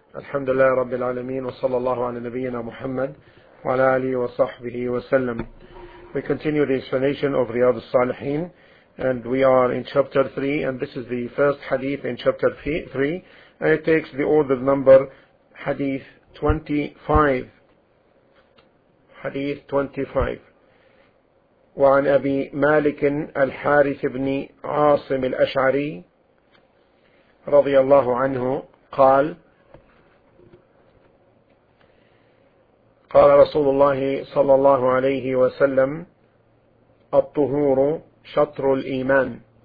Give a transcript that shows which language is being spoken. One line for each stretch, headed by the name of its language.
Arabic: الحمد لله رب العالمين، وصلى الله على نبينا محمد وعلى آله وصحبه وسلم.
English: We continue the explanation of Riyad al-Salihin, and we are in chapter 3, and this is the first hadith in chapter 3, and it takes the order number hadith 25. Hadith 25.
Arabic: وعن أبي مالك الحارث بن عاصم الأشعري رضي الله عنه قال قال رسول الله صلى الله عليه وسلم الطهور شطر الإيمان